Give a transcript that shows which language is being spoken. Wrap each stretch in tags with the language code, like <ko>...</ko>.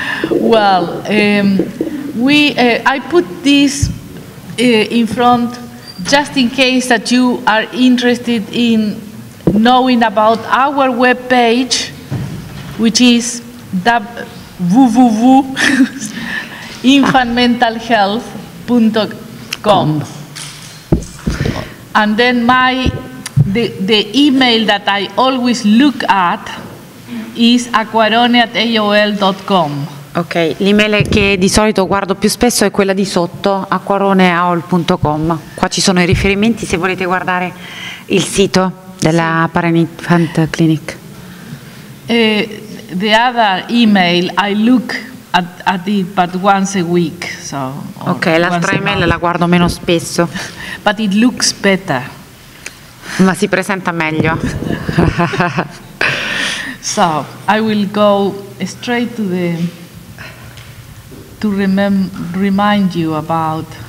<en>Well, I put this in front just in case that you are interested in knowing about our web page, which is www.infantmentalhealth.com. And then the email that I always look at is acquarone@aol.com.</en> <it>Ok, l'email che di solito guardo più spesso è quella di sotto, acquarone@aol.com. Qua ci sono i riferimenti se volete guardare il sito della Parent Clinic.</it> <en>The other email I look at it but once a week. So,</en> <it>ok, l'altra email la guardo meno spesso.</it> <en>But it looks better.</en> <it>Ma si presenta meglio.</it> <en>So, I will go straight to the remind you about.</en>